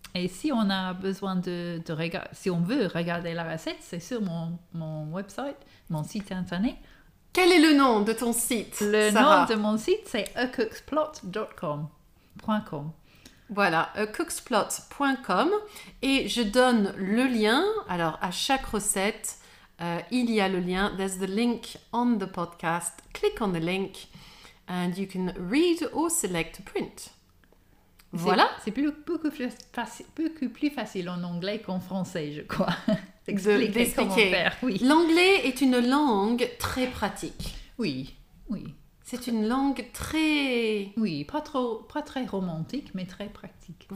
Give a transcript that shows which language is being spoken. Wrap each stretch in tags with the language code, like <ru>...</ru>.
<fr>Et si on a besoin de regarder, si on veut regarder la recette, c'est sur mon website, mon site internet. Quel est le nom de ton site, le Sarah? Nom de mon site, c'est acooksplot.com. Voilà, acooksplot.com. Et je donne le lien. Alors, à chaque recette, il y a le lien.</fr> <en>There's the link on the podcast. Click on the link and you can read or select a print.</en> <fr>Voilà. C'est beaucoup plus facile en anglais qu'en français, je crois. D'expliquer comment faire, oui. L'anglais est une langue très pratique. Oui, oui. C'est une langue très... Oui, pas très romantique, mais très pratique.</fr>